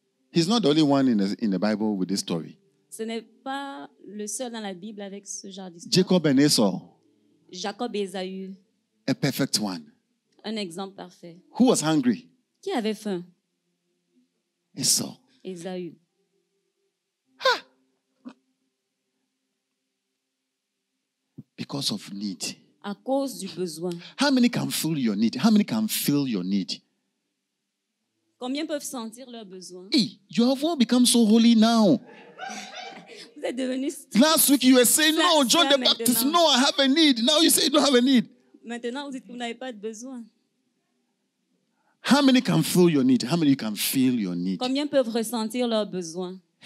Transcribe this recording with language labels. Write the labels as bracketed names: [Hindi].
[English] He's not the only one in the Bible with this story. [French] Ce n'est pas le seul dans la Bible avec ce genre d'histoire. Jacob et Esau. Jacob et Esau. [English] A perfect one. [French] Un exemple parfait. [English] Who was hungry? [French] Qui avait faim? [English] Esau. [French] Esau. Ha! [English] Because of need. [French] À cause du besoin. [English] How many can fill your need? How many can fill your need? [French] Combien peuvent sentir leur besoin? [English] Hey, you have all become so holy now. Last week you were saying no, John the Baptist. [French] Maintenant. [English] No, I have a need. Now you say you don't have a need. [French] Maintenant, vous dites que vous n'avez pas de besoin. [English] How many can feel your need? How many can feel your need? [French] Combien peuvent ressentir leurs besoins?